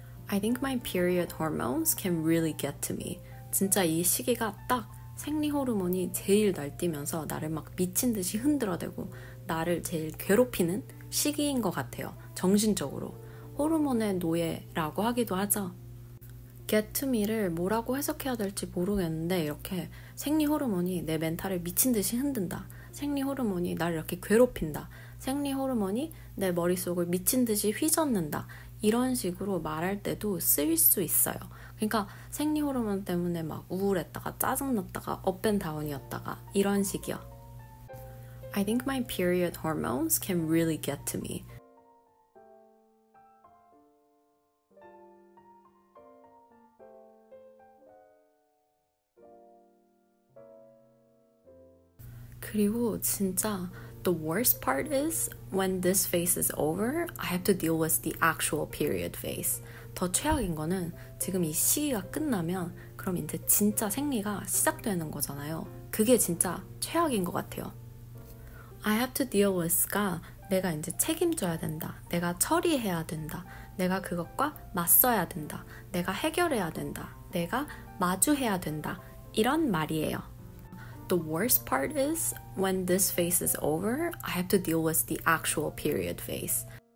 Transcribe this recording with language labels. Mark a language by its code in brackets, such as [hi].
[en] 'I think my period hormones can really get to me.' [ko] 진짜 이 시기가 딱 생리 호르몬이 제일 날뛰면서 나를 막 미친 듯이 흔들어대고 나를 제일 괴롭히는 시기인 것 같아요. 정신적으로 호르몬의 노예라고 하기도 하죠. [en] Get to me [ko] 를 뭐라고 해석해야 될지 모르겠는데 이렇게 생리 호르몬이 내 멘탈을 미친 듯이 흔든다. 생리 호르몬이 나를 이렇게 괴롭힌다. 생리 호르몬이 내 머릿속을 미친 듯이 휘젓는다. 이런 식으로 말할 때도 쓰일 수 있어요. 그러니까 생리 호르몬 때문에 막 우울했다가 짜증났다가 업앤다운이었다가 이런 식이요. [en] I think my period hormones can really get to me. [ko] 그리고 진짜 [en] The worst part is when this phase is over, I have to deal with the actual period phase. [ko] 더 최악인 거는 지금 이 시기가 끝나면 그럼 이제 진짜 생리가 시작되는 거잖아요. 그게 진짜 최악인 것 같아요. [en] I have to deal with [ko] 가 내가 이제 책임져야 된다. 내가 처리해야 된다. 내가 그것과 맞서야 된다. 내가 해결해야 된다. 내가 마주해야 된다. 이런 말이에요. [en] The worst part is when this phase is over, I have to deal with the actual period phase.